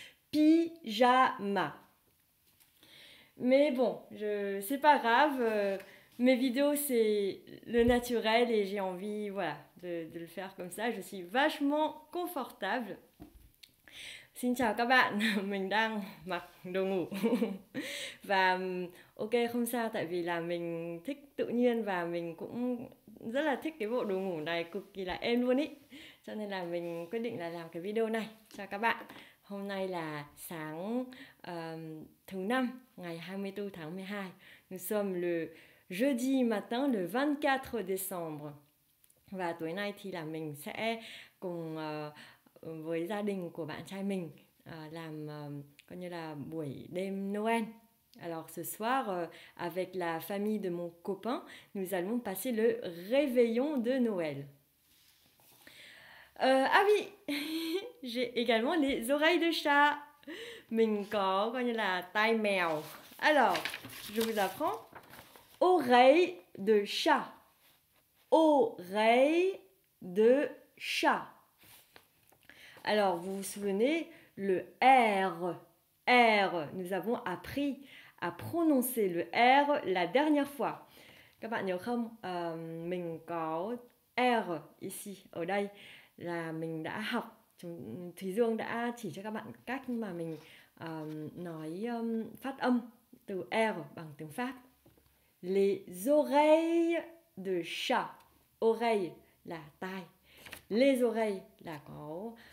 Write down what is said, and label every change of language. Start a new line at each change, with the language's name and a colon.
French: Pyjama. Mais bon, c'est pas grave. Mes vidéos, c'est le naturel et j'ai envie, voilà, de le faire comme ça. Je suis vachement confortable.
Vietnamese: Xin chào các bạn, mình đang mặc đồ ngủ. Và ok, không sao, tại vì là mình thích tự nhiên và mình cũng rất là thích cái bộ đồ ngủ này, cực kỳ là êm luôn ý. Cho nên là mình quyết định là làm cái video này cho các bạn. Hôm nay là sáng thứ năm, ngày 24 tháng 12.
French: Nous sommes le jeudi matin, le 24 décembre.
Vietnamese: Và tối nay thì là mình sẽ cùng... với gia đình của bạn trai mình làm coi như là buổi đêm Noël.
French: Alors ce soir avec la famille de mon copain, nous allons passer le réveillon de Noël. Ah oui, j'ai également les oreilles de chat.
Vietnamese: Mình có coi như là tai mèo.
French: Alors, je vous apprends oreilles de chat. Oreilles de chat. Alors, vous vous souvenez, le R, R, nous avons appris à prononcer le R la dernière fois.
Vietnamese: Các bạn nhớ không, mình có R ici, ở đây, là mình đã học, Thúy Dương đã chỉ cho các bạn cách mà mình nói phát âm từ R bằng tiếng Pháp.
French: Les oreilles de chat, oreille
Vietnamese: là tai,
French: les oreilles
Vietnamese: là có...